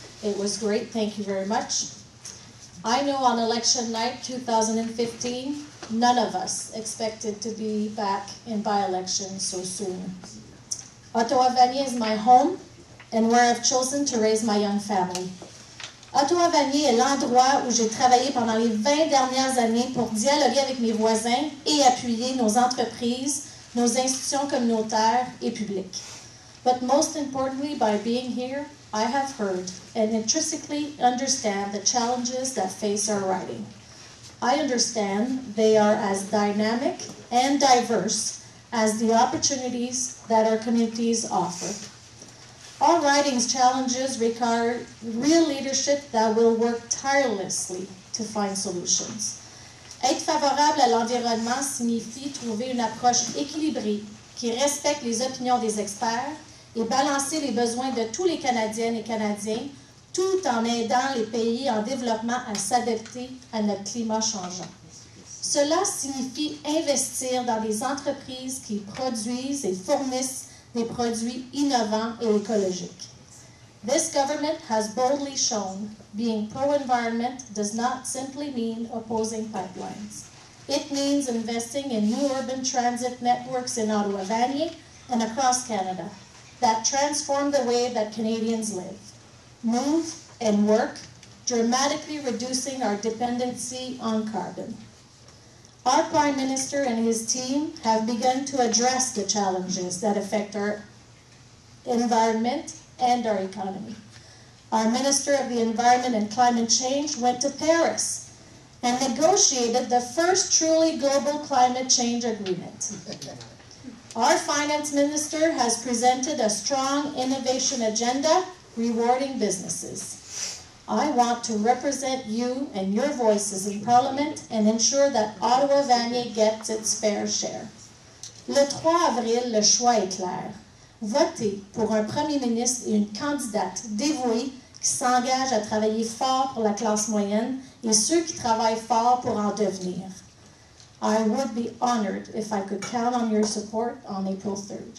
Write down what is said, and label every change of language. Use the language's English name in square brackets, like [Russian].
[English] It was great. Thank you very much. I know on election night 2015, none of us expected to be back in by-election so soon. Ottawa Vanier is my home and where I've chosen to raise my young family. [French] Ottawa Vanier est l'endroit où j'ai travaillé pendant les 20 dernières années pour dialoguer avec mes voisins et appuyer nos entreprises, nos institutions communautaires et publiques. [English] But most importantly, by being here, I have heard and intrinsically understand the challenges that face our riding. I understand they are as dynamic and diverse as the opportunities that our communities offer. Our riding's challenges require real leadership that will work tirelessly to find solutions. [French] Être favorable à l'environnement signifie trouver une approche équilibrée qui respecte les opinions des experts et balancer les besoins de tous les Canadiennes et Canadiens, tout en aidant les pays en développement à s'adapter à notre climat changeant. Cela signifie investir dans des entreprises qui produisent et fournissent des produits innovants et écologiques. [English] This government has boldly shown being pro-environment does not simply mean opposing pipelines. It means investing in new urban transit networks in Ottawa Vanier and across Canada that transform the way that Canadians live, move, and work, dramatically reducing our dependency on carbon. Our Prime Minister and his team have begun to address the challenges that affect our environment and our economy. our Minister of the Environment and Climate Change, went to Paris and negotiated the first truly global climate change agreement. Our finance minister has presented a strong innovation agenda rewarding businesses. I want to represent you and your voices in Parliament and ensure that Ottawa Vanier gets its fair share. [French] Le 3 avril, le choix est clair. Votez pour un premier ministre et une candidate dévouée qui s'engage à travailler fort pour la classe moyenne et ceux qui travaillent fort pour en devenir. [English] I would be honored if I could count on your support on April 3rd.